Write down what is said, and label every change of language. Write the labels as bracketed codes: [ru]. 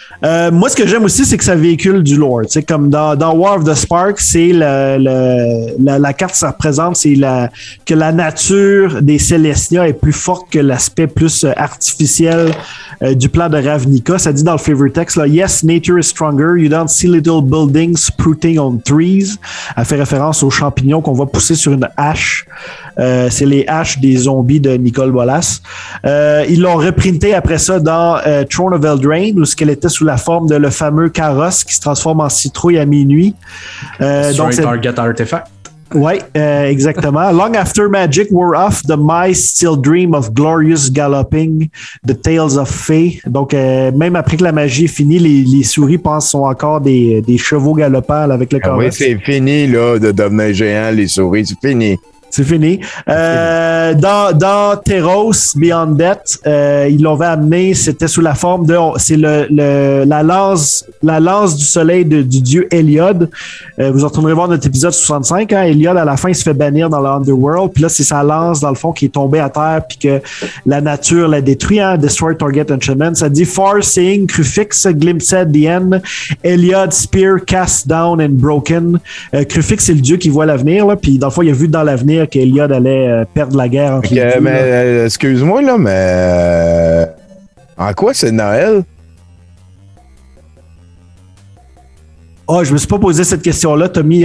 [fr] Moi, ce que j'aime aussi, c'est que ça véhicule du lore. T'sais, comme dans War of the Spark, c'est la carte, ça représente que la nature des Celestia est plus forte que l'aspect plus artificiel du plan de Ravnica. Ça dit dans le favorite text, là, [en] yes, nature is stronger. You don't see little buildings sprouting on trees. [fr] Elle fait référence aux champignons qu'on voit pousser sur une hache. C'est les haches des zombies de Nicole Bolas. Ils l'ont reprinté après ça dans Throne of Eldraine, où ce qu'elle était sous la forme de le fameux carrosse qui se transforme en citrouille à minuit. Sur un target artifact. Oui, exactement. [en] Long after Magic wore off, the mice still dream of glorious galloping, the tales of fées. [fr] Donc, même après que la magie est finie, les souris pensent sont encore des chevaux galopants avec le corps. Oui, c'est fini là, de devenir géant, les souris, c'est fini. C'est fini. Dans Theros, Beyond Death, ils l'avaient amené, c'était sous la forme de... C'est la lance du soleil du dieu Eliod. Vous retournerez voir notre épisode 65. Hein? Eliod, à la fin, il se fait bannir dans l'Underworld. Puis là, c'est sa lance, dans le fond, qui est tombée à terre puis que la nature l'a détruit. Hein? [en] Destroy Target Enchantment. [fr] Ça dit [en] « Far seeing, Crufix glimpsed the end. Eliod spear cast down and broken. [fr] » Crufix, c'est le dieu qui voit l'avenir. Là, puis dans le fond, il a vu dans l'avenir qu'Eliod allait perdre la guerre entre les deux. Mais là. Excuse-moi, là, mais en quoi c'est Noël? Oh, je me suis pas posé cette question-là, Tommy.